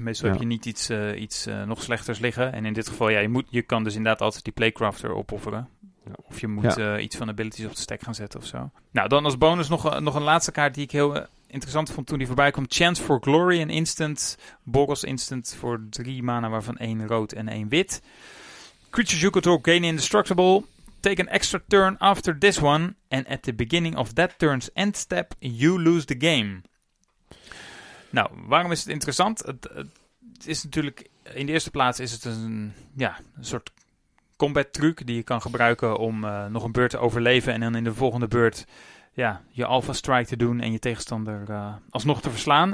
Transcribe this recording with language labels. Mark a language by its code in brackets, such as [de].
[nl] Meestal heb je niet iets nog slechters liggen. En in dit geval, ja, je kan dus inderdaad altijd die playcrafter opofferen. Of je moet iets van abilities op de stack gaan zetten of zo. Nou, dan als bonus nog een laatste kaart die ik heel interessant vond toen die voorbij kwam. Chance for Glory, een instant. Boros instant voor 3 mana, waarvan 1 rood en 1 wit. [en] Creatures you control gain indestructible. Take an extra turn after this one. And at the beginning of that turn's end step, you lose the game. [nl] Nou, waarom is het interessant? Het is natuurlijk, in de eerste plaats is het een soort combat truc die je kan gebruiken om nog een beurt te overleven en dan in de volgende beurt je alpha strike te doen en je tegenstander alsnog te verslaan.